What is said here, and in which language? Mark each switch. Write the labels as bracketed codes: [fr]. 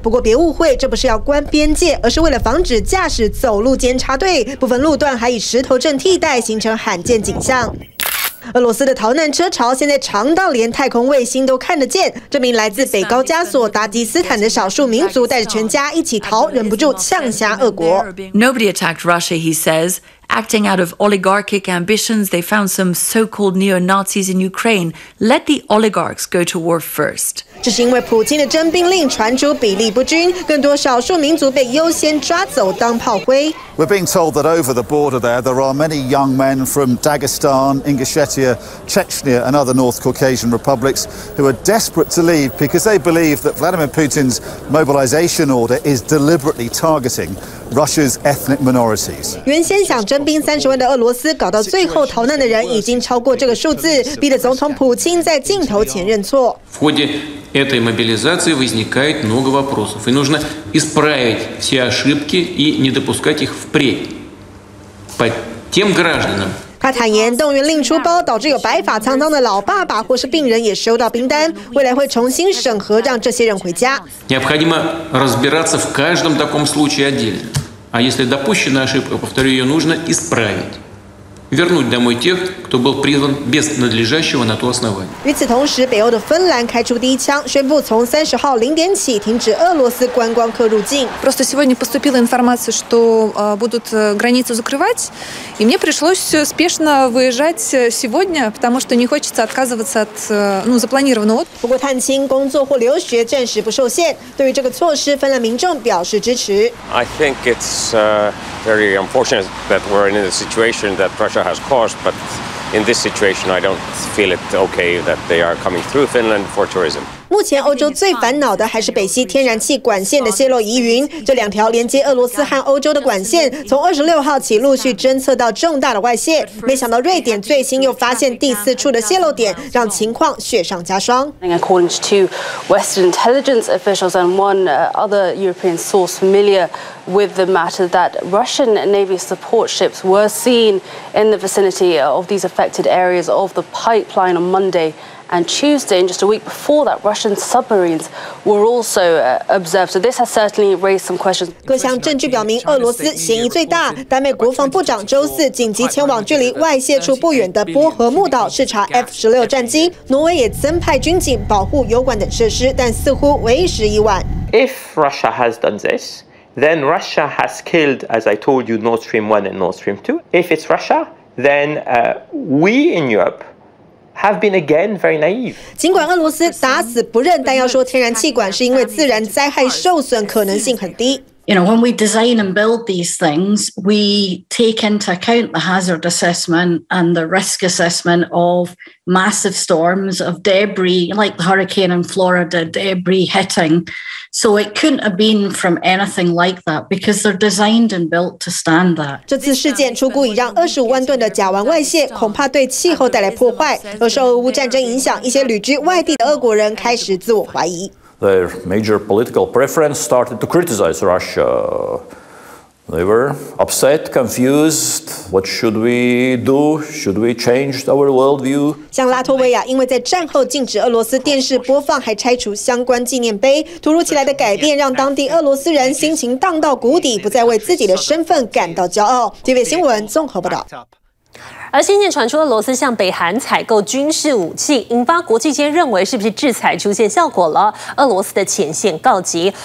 [zh] 不过别误会，这不是要关边界，而是为了防止驾驶走路间插队，部分路段还以石头阵替代，形成罕见景象。俄罗斯的逃难车潮现在长到连太空卫星都看得见，这名来自北高加索达吉斯坦的少数民族带着全家一起逃，忍不住呛瞎俄国。 [en] Nobody attacked Russia, he says. Acting out of oligarchic ambitions, they found some so-called neo-Nazis in Ukraine. Let the oligarchs go to war first. [zh] 这是因为普京的征兵令传出比例不均，更多少数民族被优先抓走当炮灰。 [en] We're being told that over the border there, there are many young men from Dagestan, Ingushetia, Chechnya and other North Caucasian republics who are desperate to leave because they believe that Vladimir Putin's mobilization order is deliberately targeting Russia's ethnic minorities. [zh] 原先想征兵30万的俄罗斯，搞到最后逃难的人已经超过这个数字，逼得总统普京在镜头前认错。 [ru] В ходе этой мобилизации возникает много вопросов, и нужно исправить все ошибки и не допускать их впредь по тем гражданам. [zh] 他坦言，动员令出包，导致有白发苍苍的老爸爸或是病人也收到兵单，未来会重新审核，让这些人回家。 [ru] Необходимо разбираться в каждом таком случае отдельно, а если допущена ошибка, повторю, ее нужно исправить. Вернуть домой тех, кто был призван без надлежащего на то основания. [zh] 与此同时，北欧的芬兰开出第一枪，宣布从30号0点起停止俄罗斯观光客入境。 [ru] Просто сегодня поступила информация, что будут границу закрывать, и мне пришлось спешно выезжать сегодня, потому что не хочется отказываться от запланированного. [zh] 不过探亲、工作或留学暂时不受限。对于这个措施，芬兰民众表示支持。 [en] I think it's very unfortunate that we're in a situation that. Russia has caused, but in this situation, I don't feel it okay that they are coming through Finland for tourism. [zh] 目前欧洲最烦恼的还是北溪天然气管线的泄漏疑云。这两条连接俄罗斯和欧洲的管线，从26号起陆续侦测到重大的外泄。没想到瑞典最新又发现第四处的泄漏点，让情况雪上加霜。 [en] According to two Western intelligence officials and one other European source familiar with the matter, that Russian Navy support ships were seen in the vicinity of these affected areas of the pipeline on Monday. And Tuesday, and just a week before that, Russian submarines were also observed. So this has certainly raised some questions. [zh] 各项证据表明，俄罗斯嫌疑最大。丹麦国防部长周四紧急前往距离外泄处不远的波河木岛视察 F-16 战机。挪威也增派军警保护油管等设施，但似乎为时已晚。 [en] If Russia has done this, then Russia has killed, as I told you, Nord Stream 1 and Nord Stream 2. If it's Russia, then we in Europe. Have been again very naive. [zh] 尽管俄罗斯打死不认，但要说天然气管是因为自然灾害受损可能性很低。 [en] You know, when we design and build these things, we take into account the hazard assessment and the risk assessment of massive storms, of debris, like the hurricane in Florida, debris hitting. So it couldn't have been from anything like that because they're designed and built to stand that. [zh] 这次事件出乎已让25万吨的甲烷外泄，恐怕对气候带来破坏。而受俄乌战争影响，一些旅居外地的俄国人开始自我怀疑。 [en] Their major political preference started to criticize Russia. They were upset, confused. What should we do? Should we change our worldview? [zh] 像拉脱维亚，因为在战后禁止俄罗斯电视播放，还拆除相关纪念碑。突如其来的改变让当地俄罗斯人心情荡到谷底，不再为自己的身份感到骄傲。 TVBS 新闻综合报道。而先前传出俄罗斯向北韩采购军事武器，引发国际间认为是不是制裁出现效果了，俄罗斯的前线告急。